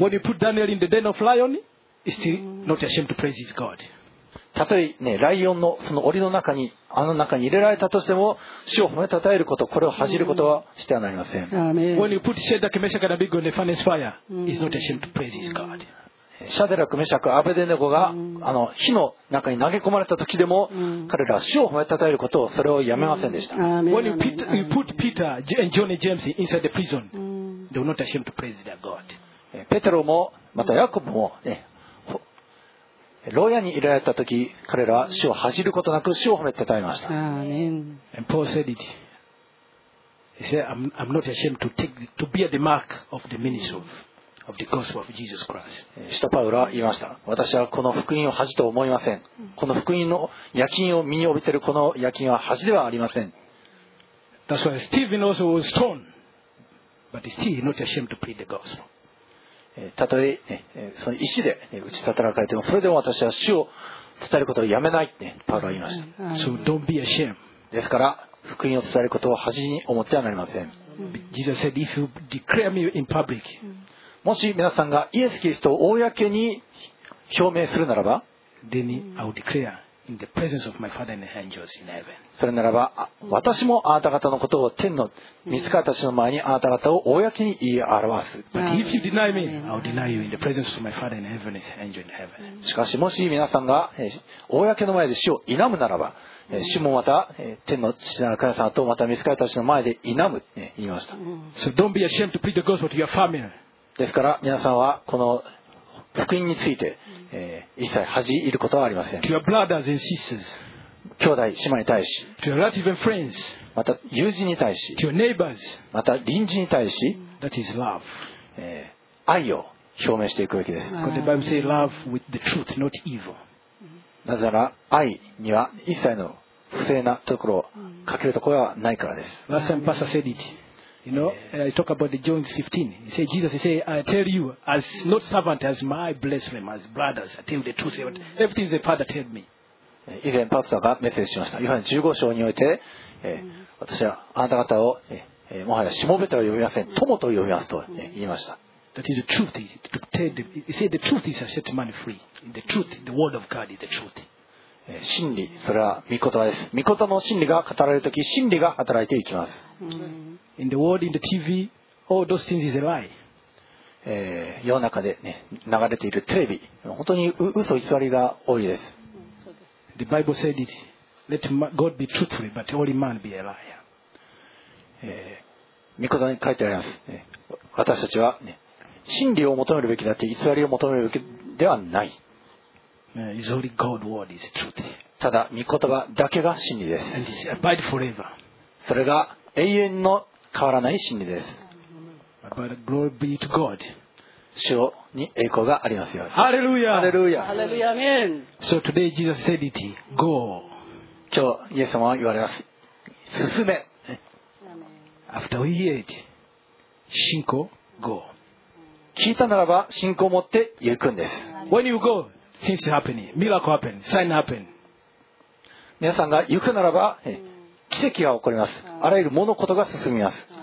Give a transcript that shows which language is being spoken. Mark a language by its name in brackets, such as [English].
[English] When you put Daniel in the den of lion, it's still not a shame to praise his God. [Japanese] たとえ、ね、ライオンのその檻の中に、あの中に入れられたとしても主を褒めたたえること、これを恥じることはしてはなりません。 [English] When you put Shadrach, Meshach, and Abednego in the furnace fire, it's not a shame to praise his God. [Japanese] シャデラク、メシャク、アベデネゴがあの火の中に投げ込まれた時でも彼らは主を褒めたたえることを、それをやめませんでした。 [English] When you put Peter and John and James inside the prison, they're not ashamed to praise their God. [Japanese] ペテロもまたヤコブもね、牢屋に入れられた時、彼らは主を恥じることなく主を褒めて称えました。 [English] And Paul said it. He said, I'm not ashamed to take to bear the mark of the ministry of the gospel of Jesus Christ. [Japanese] 使徒パウロは言いました。私はこの福音を恥じと思いません。この福音の焼印を身に帯びているこの焼印は恥ではありません。 [English] That's why Stephen also was stoned, but still not ashamed to preach the gospel. [Japanese] たとえ、ね、その石で打ち立たかれても、それでも私は主を伝えることをやめないって、ね、パウロは言いました。 [English] So don't be ashamed. [Japanese] ですから福音を伝えることを恥に思ってはなりません。 [English] Jesus said, if you declare me in public, [Japanese] もし皆さんがイエス・キリストを公に表明するならば、 [English] then I will declare in the presence of my Father and the angels in heaven. [Japanese] それならば私もあなた方のことを天の御使いたちの前にあなた方を公に言い表す。 [English] But if you deny me, I'll deny you in the presence of my Father and heaven and angels in heaven. [Japanese] しかしもし皆さんが公の前で主を否むならば、主もまた天の父なる神様とまた御使いたちの前で否む、言いました。 [English] So don't be ashamed to preach the gospel to your family. [Japanese] ですから皆さんはこの福音について、一切恥じいることはありません。 [English] To your brothers and sisters, [Japanese] 兄弟姉妹に対し、 [English] to your relatives and friends, [Japanese] また友人に対し、 [English] to your neighbors, [Japanese] また隣人に対し、 [English] that is love. [Japanese] 愛を表明していくべきです。 [English] The Bible says love with the truth, not evil. [Japanese] なぜなら愛には一切の不正なところを欠けるところはないからです。 [English] Last time Pastor said itYou know, I talk about the John 15. He said, Jesus, he said, I tell you, as not servant, as my blessed, as brothers, I tell you the truth. Everything the Father told me. [Japanese] 以前パスターがメッセージしました。ヨハネ15章において、私はあなた方を、もはやしもべとは呼びません。友と呼びますと、言いました。 [English] That is the truth. He said the truth is a set man free. The truth, the word of God is the truth. [Japanese] 真理、それは御言葉です。御言葉の真理が語られるとき、真理が働いていきます。 [English] In the world, in the TV, all those things is a lie. [Japanese] 世の中で、ね、流れているテレビ、本当に嘘偽りが多いです。 [English] The Bible said it. Let God be truthful, but only man be a liar. [Japanese] 御言葉に書いてあります。私たちは、ね、真理を求めるべきだって、偽りを求めるべきではない。 [English] It's only God's word is truth. [Japanese] ただ御言葉だけが真理です。 [English] And it's abide forever. [Japanese] それが永遠の変わらない真理です。 [English] But glory be to God. [Japanese] 主に栄光がありますように。ハレルヤ。ハレルヤ。ハレルヤ。アーメン。 [English] So today Jesus said it, go. [Japanese] 今日イエス様は言われます。進め。 [English] After we heard, 信仰 go. [Japanese] 聞いたならば信仰を持って行くんです。 [English] When you go, things happen, miracle happen, sign happen. [Japanese] 皆さんが行くならば奇跡が起こります。あらゆる物事が進みます。